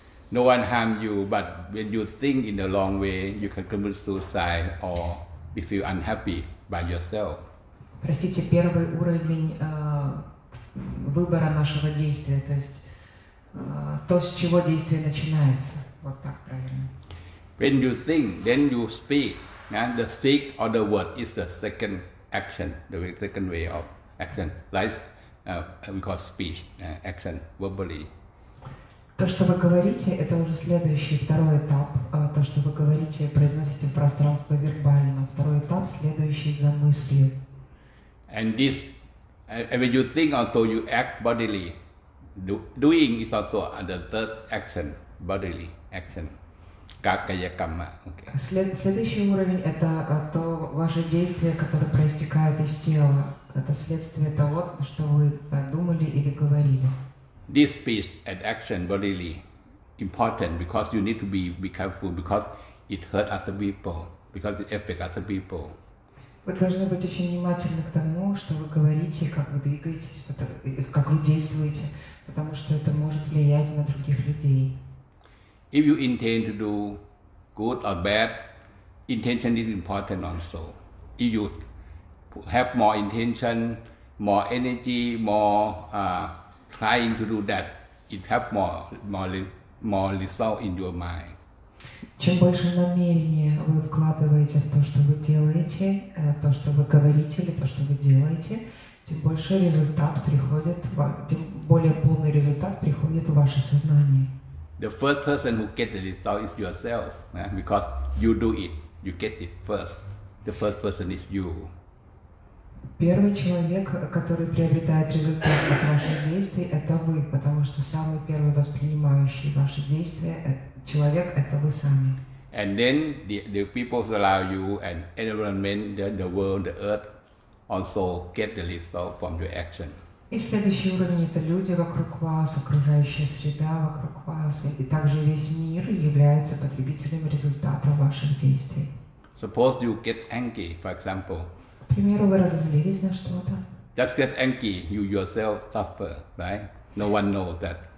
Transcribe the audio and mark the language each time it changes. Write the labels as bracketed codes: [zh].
[en] No one harm you, but when you think in the wrong way, you can commit suicide or you feel unhappy by yourself. [ru] Простите, первый уровень выбора нашего действия, то есть то, с чего действие начинается. Вот так правильно. [en] When you think, then you speak. And the speak or the word is the second action, the second way of action, like we call speech, action, verbally. [ru] То, что вы говорите, это уже следующий, второй этап. То, что вы говорите, произносите в пространство вербально. Второй этап, следующий за мыслью. [en] And this, when you think also you act bodily, doing is also the third action, bodily action. [pi] Кайя-камма. [en] Okay. [ru] Следующий уровень – это то ваше действие, которое проистекает из тела. Это следствие того, что вы думали или говорили. [en] This speech and action bodily important because you need to be careful because it hurt other people, because it affects other people. [ru] Вы должны быть очень внимательны к тому, что вы говорите, как вы двигаетесь, как вы действуете, потому что это может влиять на других людей. [en] If you intend to do good or bad, intention is important also. If you have more intention, more energy, more trying to do that, it have more result in your mind. [ru] Чем больше намерения вы вкладываете в то, что вы делаете, то, что вы говорите или то, что вы делаете, тем больше результат приходит, тем более полный результат приходит в ваше сознание. [en] The first person who gets the result is yourself, because you do it, you get it first. The first person is you. [ru] Первый человек, который приобретает результат от ваших действий, это вы, потому что самый первый воспринимающий ваши действия человек – это вы сами. [en] And then the people around you and environment, the world, the earth, also get the result from your action. [ru] И следующий уровень – это люди вокруг вас, окружающая среда вокруг вас, и также весь мир является потребителем результата ваших действий. [en] Suppose you get angry, for example. [ru] К примеру, вы разозлились на что-то. [en] Just get angry, you yourself suffer, right? No one knows that.